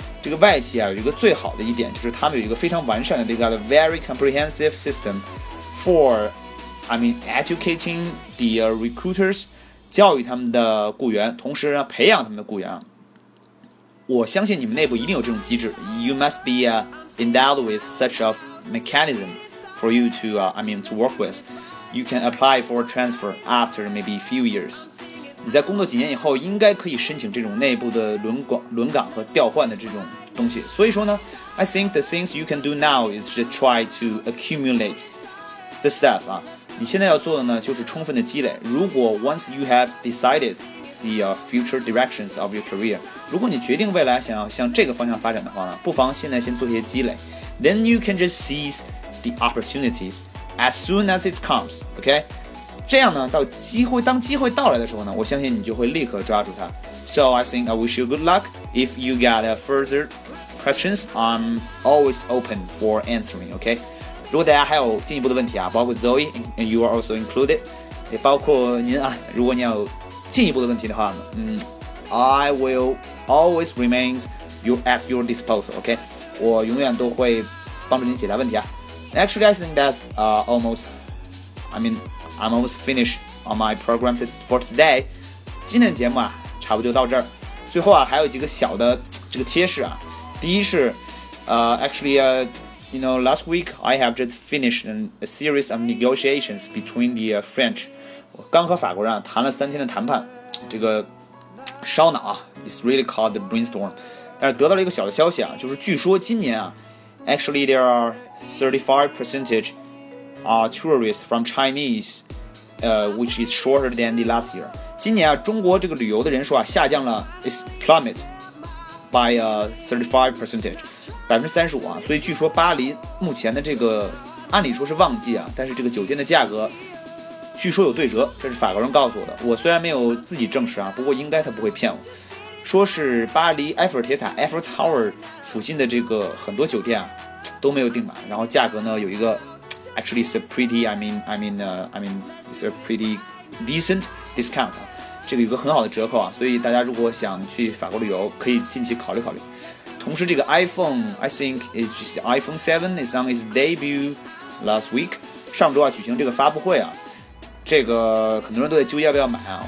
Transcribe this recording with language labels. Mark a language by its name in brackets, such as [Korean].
[Chinese] 这个外企啊，有一个最好的一点就是他们有一个非常完善的 ， [English] they got a very comprehensive system for, educating the recruiters, [Chinese] 教育他们的雇员，同时呢，培养他们的雇员。我相信你们内部一定有这种机制 [English] ，you must be endowed with such a mechanism for you to, to work with.You can apply for transfer after maybe a few years. [Chinese] 你在工作几年以后应该可以申请这种内部的轮岗和调换的这种东西。所以说呢 [English] I think the things you can do now is just try to accumulate the stuff、啊、 [Chinese] 你现在要做的呢就是充分的积累。如果 [English] once you have decided the、future directions of your career, [Chinese] 如果你决定未来想要向这个方向发展的话呢，不妨现在先做些积累。 [English] Then you can just seize the opportunities as soon as it comes, okay? [Chinese] 这样呢到机会当机会到来的时候呢我相信你就会立刻抓住它。 [English] So I think I wish you good luck. If you got further questions, I'm always open for answering, okay? [Chinese] 如果大家还有进一步的问题啊包括 [English] Zoe, and you are also included, [Chinese] 也包括您啊如果你有进一步的问题的话呢 [English] I will always remain at your disposal, okay? [Chinese] 我永远都会帮助您解答问题啊。 [English] Actually, I think that's I'm almost finished on my program for today. [Chinese] 今天的节目啊差不多就到这儿。最后啊还有几个小的这个贴士啊。第一是 [English] last week I have just finished a series of negotiations between the French. [Chinese] 我刚和法国人谈了三天的谈判。这个烧脑啊 [English] is really called the brainstorm. [Chinese] 但是得到了一个小的消息啊就是据说今年啊 [English] actually there are 35% tourists from Chinese,which is shorter than the last year. [Chinese] 今年啊，中国这个旅游的人数啊下降了 ， [English] is plummet by 35%, [Chinese] 35%啊。所以据说巴黎目前的这个，按理说是旺季啊，但是这个酒店的价格，据说有对折，这是法国人告诉我的。我虽然没有自己证实啊，不过应该他不会骗我。说是巴黎埃菲尔铁塔 Eiffel Tower 附近的这个很多酒店啊都没有订满，然后价格呢有一个。 [English] Actually, it's a pretty, it's a pretty decent discount. [Chinese] 这个有个很好的折扣啊，所以大家如果想去法国旅游，可以近期考虑考虑。同时，这个 [English] iPhone, I think it's just iPhone 7 is on its debut last week. [Chinese] 上周啊，举行这个发布会啊，这个很多人都在纠结要不要买啊。